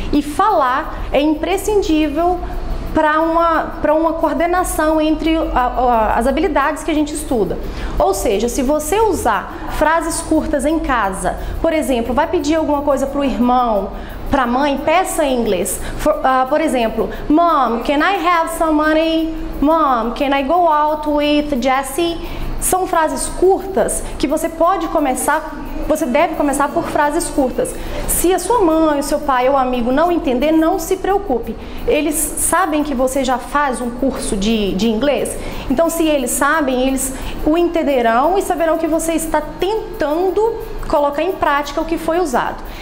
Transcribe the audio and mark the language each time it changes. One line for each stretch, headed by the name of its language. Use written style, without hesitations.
Portuguese: E falar é imprescindível para uma coordenação entre as habilidades que a gente estuda. Ou seja, se você usar frases curtas em casa, por exemplo, vai pedir alguma coisa para o irmão, para a mãe, peça em inglês. Por exemplo,
English: Mom, can I have some money? Mom, can I go out with Jesse?
Portuguese: São frases curtas que você pode começar, você deve começar por frases curtas. Se a sua mãe, o seu pai ou amigo não entender, não se preocupe. Eles sabem que você já faz um curso de inglês. Então, se eles sabem, eles o entenderão e saberão que você está tentando colocar em prática o que foi usado.